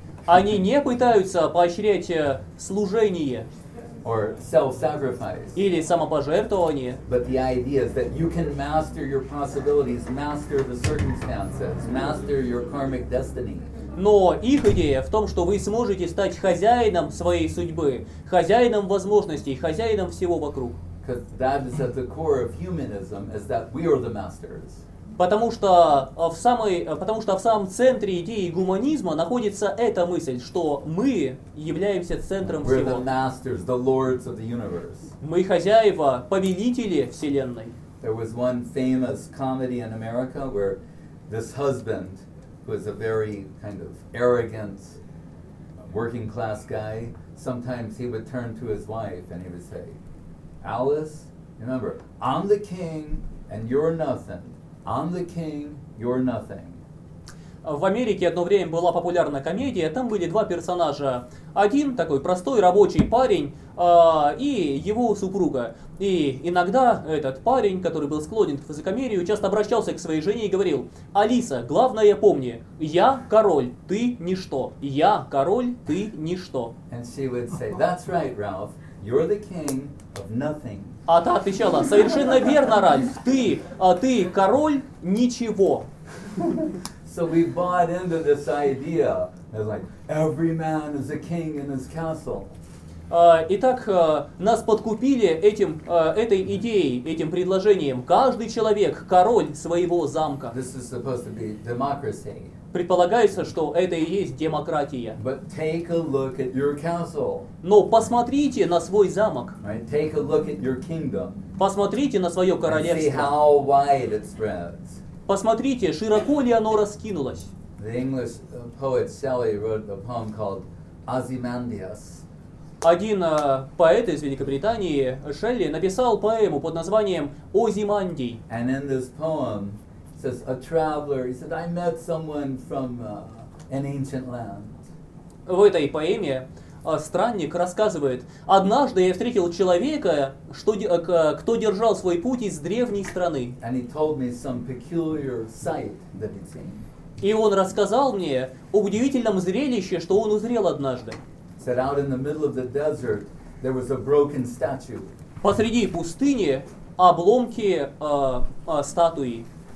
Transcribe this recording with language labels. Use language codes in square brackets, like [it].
[ru] Они не пытаются поощрять служение. [en] Or self-sacrifice. [ru] Или самопожертвование. [en] But the idea is that you can master your possibilities, master the circumstances, master your karmic destiny. [ru] Но их идея в том, что вы сможете стать хозяином своей судьбы, хозяином возможностей, хозяином всего вокруг. [en] Because that is at the core of humanism, is that we are the masters. [ru] Потому что в самом центре идеи гуманизма находится эта мысль, что мы являемся центром всего. [en] We're the masters, the lords of the universe. [ru] Мы хозяева, повелители вселенной. [en] There was one famous comedy in America where this husband, who is a very kind of arrogant working class guy, sometimes he would turn to his wife and he would say, Alice, remember, I'm the king and you're nothing. I'm the king, you're nothing. [ru] В Америке одно время была популярна комедия. Там были два персонажа. Один такой простой рабочий парень и его супруга. И иногда этот парень, который был склонен к высокомерию, часто обращался к своей жене и говорил: Алиса, главное помни, я король, ты ничто. Я король, ты ничто. [en] And she would say, that's right, Ralph. You're the king of nothing. [ru] А та отвечала: совершенно верно, Ральф, ты король ничего. [en] So we bought into this idea that like every man is a king in his castle. [ru] Итак, нас подкупили этой идеей, этим предложением. Каждый человек король своего замка. [en] This is supposed to be democracy. [ru] Предполагается, что это и есть демократия. [en] But take a look at your castle. [ru] Но посмотрите на свой замок. [en] Right? Take a look at your kingdom. [ru] Посмотрите на свое королевство. [en] And see how wide it spreads. [ru] Посмотрите, широко ли оно раскинулось. [en] The English poet Shelley wrote a poem called Ozymandias. [ru] один поэт из Великобритании, Шелли, написал поэму под названием «Озимандий». [en] And in this poem, says a traveler, he said, I met someone from an ancient land. [ru] В этой поэме странник рассказывает, однажды я встретил человека, что, кто держал свой путь из древней страны. [en] And he told me some peculiar sight that he'd seen. [ru] И он рассказал мне об удивительном зрелище, что он узрел однажды. [en] Said out in the middle of the desert, there was a broken statue. [ru] Посреди пустыни обломки статуи.